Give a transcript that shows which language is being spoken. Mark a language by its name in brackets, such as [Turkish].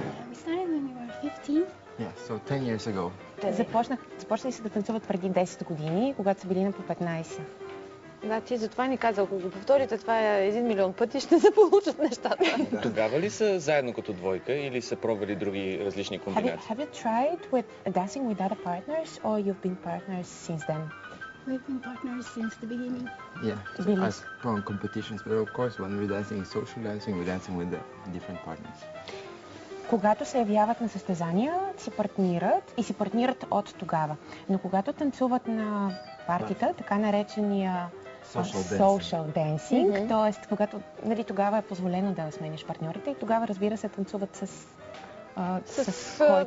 [English] We started when you were 15. Yeah, so 10 years ago. [Bulgarian] Започнали се да танцуват преди 10 години, когато са били на по 15. Да, ти затова ни каза, ако го повторите, това е 1 000 000 пъти, ще се получат нещата. Тогава ли са заедно като двойка или са пробвали други различни комбинации? [English] Have you tried with dancing with other partners or you've been partners since then? We've been partners since the beginning. Yeah, really? As from competitions, but of course when we're dancing in social dancing, we're dancing with the different partners. [Bulgarian] Когато се явяват на състезания, се партнират и се партнират от тогава. Но когато танцуват на партита, така наречения [English] social dancing, mm-hmm. т.е. [Bulgarian] когато, нали, тогава е позволено да смениш партньорите и тогава, разбира се, танцуват с...